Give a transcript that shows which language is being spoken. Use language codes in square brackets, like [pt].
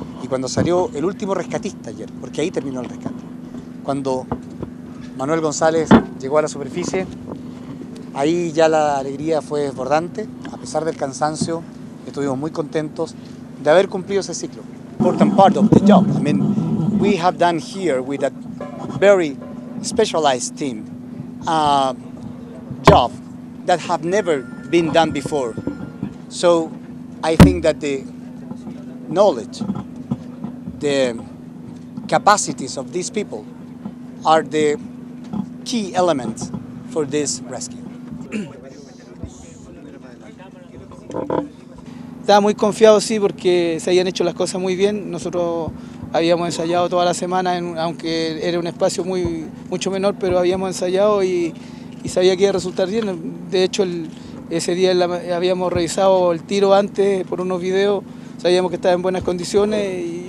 [es] Y cuando salió el último rescatista ayer, porque ahí terminó el rescate, cuando Manuel González llegó a la superficie, ahí ya la alegría fue desbordante. A pesar del cansancio, estuvimos muy contentos de haber cumplido ese ciclo. [en] Important part of the job. I mean, we have done here with a very specialized team a job that have never been done before. So I think that the knowledge, the capacities of these people are the key elements for this rescue. [es] Estaba muy confiado, sí, porque se habían hecho las cosas muy bien. Nosotros habíamos ensayado toda la semana, aunque era un espacio mucho menor, pero habíamos ensayado y sabía que iba a resultar bien. De hecho, ese día habíamos revisado el tiro antes por unos videos, sabíamos que estaba en buenas condiciones.